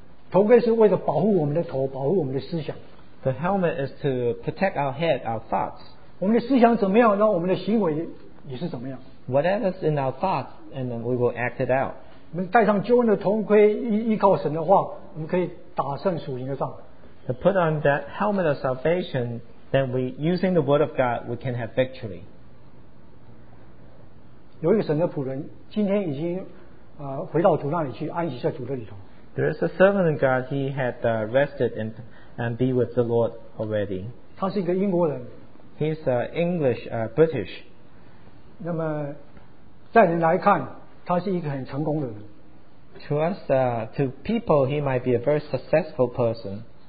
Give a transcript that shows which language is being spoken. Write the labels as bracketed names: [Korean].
[Chinese] 头盔是为了保护我们的头，保护我们的思想。 [English] The helmet is to protect our head, our thoughts. [Chinese] 我们的思想怎么样，那我们的行为也是怎么样。 [English] Whatever's in our thoughts, and then we will act it out. [Chinese] 我们戴上救恩的头盔，依靠神的话，我们可以打胜属灵的仗。 [English] To put on that helmet of salvation, then we, using the word of God, we can have victory. [Chinese] 有一个神的仆人，今天已经回到主那里去安息在主的里头。 [English] There is a servant of God. He had rested and be with the Lord already. [Chinese] 他是一个英国人。 [English] He's English, British. [Chinese] 那么，在人来看，他是一个很成功的人。 [English] To us, to people, he might be a very successful person.